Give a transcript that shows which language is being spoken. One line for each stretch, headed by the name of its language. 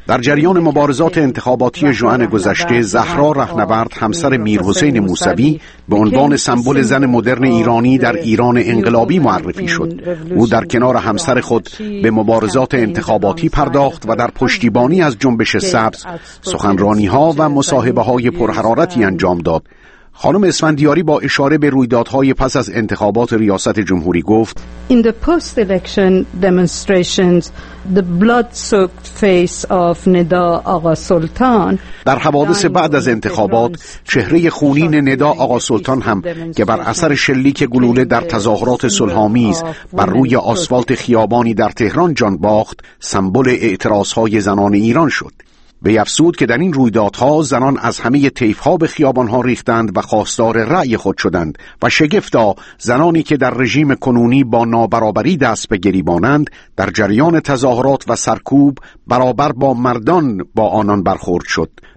Persian: در جریان مبارزات انتخاباتی ژوئن گذشته، زهرا رهنورد همسر میرحسین موسوی به عنوان سمبل زن مدرن ایرانی در ایران انقلابی معرفی شد. او در کنار همسر خود به مبارزات انتخاباتی پرداخت و در پشتیبانی از جنبش سبز سخنرانی‌ها و مصاحبه‌های پرحرارتی انجام داد. خانم اسفندیاری با اشاره به رویدادهای پس از انتخابات ریاست جمهوری گفت:
English: In the post-election demonstrations, the blood-soaked face of Neda Agha Soltan.
Persian: در حوادث بعد از انتخابات، چهره خونین ندا آقا سلطان هم که بر اثر شلیک گلوله در تظاهرات صلح‌آمیز بر روی آسفالت خیابانی در تهران جان باخت، سمبل اعتراض‌های زنان ایران شد. به افسود که در این رویدادها زنان از همه طیف‌ها به خیابان‌ها ریختند و خواستار رأی خود شدند و شگفتا زنانی که در رژیم کنونی با نابرابری دست به گریبانند در جریان تظاهرات و سرکوب برابر با مردان با آنان برخورد شد.